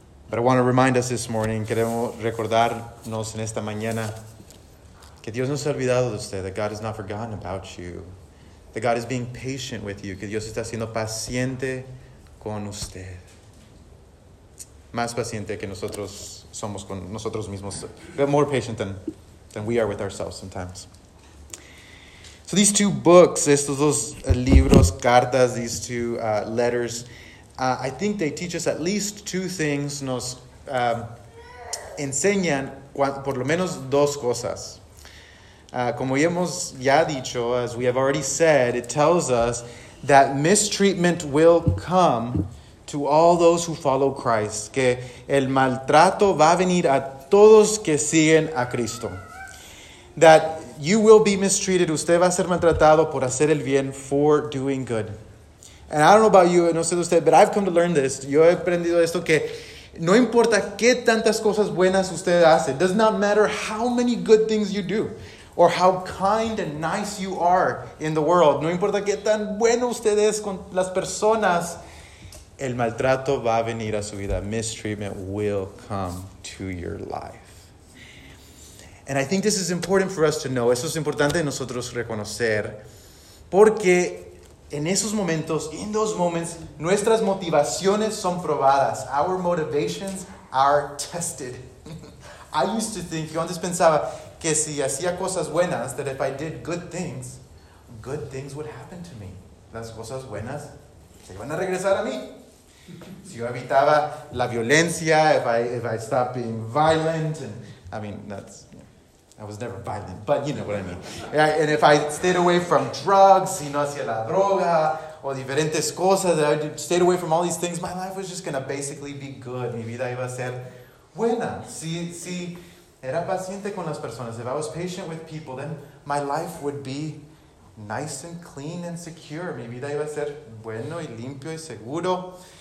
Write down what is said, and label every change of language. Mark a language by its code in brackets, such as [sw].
[en] But I want to remind us this morning, [es] queremos recordarnos en esta mañana, que Dios no se ha olvidado de usted, [en] that God has not forgotten about you. That God is being patient with you. [es] Que Dios está siendo paciente con usted. Más paciente que nosotros somos con nosotros mismos. [en] But more patient than we are with ourselves sometimes. So these two books, [es] estos dos libros, cartas, [en] these two letters, I think they teach us at least two things. [es] Nos enseñan por lo menos dos cosas. Como hemos ya dicho, [en] as we have already said, it tells us that mistreatment will come to all those who follow Christ. [es] Que el maltrato va a venir a todos que siguen a Cristo. [en] That you will be mistreated. [es] Usted va a ser maltratado por hacer el bien, [en] for doing good. And I don't know about you, [es] no sé de usted, [en] but I've come to learn this. [es] Yo he aprendido esto, que no importa qué tantas cosas buenas usted hace. [en] It does not matter how many good things you do. Or how kind and nice you are in the world. [es] No importa qué tan bueno usted es con las personas, el maltrato va a venir a su vida. [en] Mistreatment will come to your life. And I think this is important for us to know. [es] Eso es importante nosotros reconocer. Porque en esos momentos, [en] in those moments, [es] nuestras motivaciones son probadas. [en] Our motivations are tested. I used to think, [es] yo antes pensaba, que si hacía cosas buenas, [en] that if I did good things would happen to me. [es] Las cosas buenas se iban a regresar a mí. Si yo evitaba la violencia, [en] if I stopped being violent, I was never violent, but you know what I mean. And if I stayed away from drugs, [es] si no hacía la droga, o diferentes cosas, [en] if I stayed away from all these things, my life was just going to basically be good. [es] Mi vida iba a ser buena. Si era paciente con las personas, [en] if I was patient with people, then my life would be nice and clean and secure. [es] Mi vida iba a ser bueno y limpio y seguro.